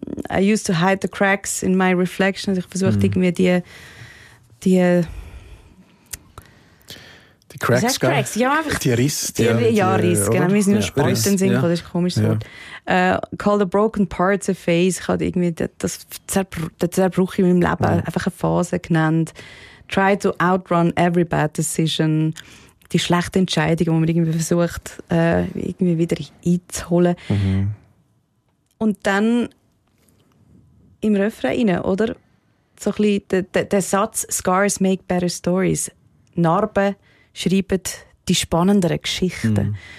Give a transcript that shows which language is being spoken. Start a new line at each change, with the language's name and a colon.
English: I used to hide the cracks in my reflection.
German: Ich versuche irgendwie die
English: Cracks, Cracks?
German: Ja, einfach die Risse. Ja, Risse. Genau, wir sind nur Sporten singen, das ist ein komisches Wort.
English: Call the broken parts a phase.
German: Ich habe irgendwie den Zerbruch in meinem Leben einfach eine Phase genannt.
English: Try to outrun every bad decision.
German: Die schlechte Entscheidung, die man irgendwie versucht, irgendwie wieder einzuholen. Und dann im Refrain, oder? So ein bisschen der Satz
English: «Scars make better stories».
German: Narben schreiben die spannenderen Geschichten. Mhm.